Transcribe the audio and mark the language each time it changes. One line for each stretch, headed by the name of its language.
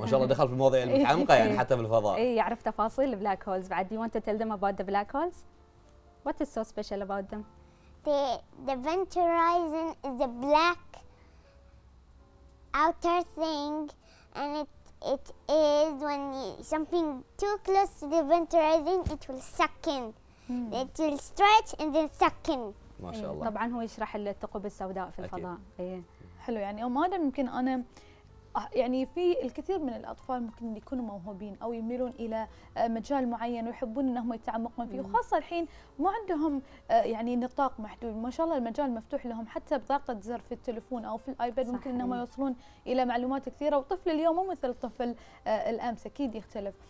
Arabic: ما شاء الله دخل في المواضيع المتعمقة يعني حتى في الفضاء. إيه يعرف تفاصيل البلاك هولز بعد.
English: Do you want to tell them about the black holes? What is so special about them? The event horizon is a black outer thing, and it is when something too close to the event horizon it will suck in. It will stretch and then suck in.
Arabic: ما شاء الله. طبعا هو يشرح الثقوب السوداء في الفضاء. حلو. يعني ما دام ممكن أنا يعني في الكثير من الأطفال ممكن يكونوا موهوبين أو يميلون إلى مجال معين ويحبون أنهم يتعمقون فيه، وخاصة الحين ما عندهم يعني نطاق محدود، ما شاء الله المجال مفتوح لهم، حتى بضغطة زر في التلفون أو في الآيباد ممكن أنهم يوصلون إلى معلومات كثيرة، وطفل اليوم مو مثل طفل الأمس، أكيد يختلف.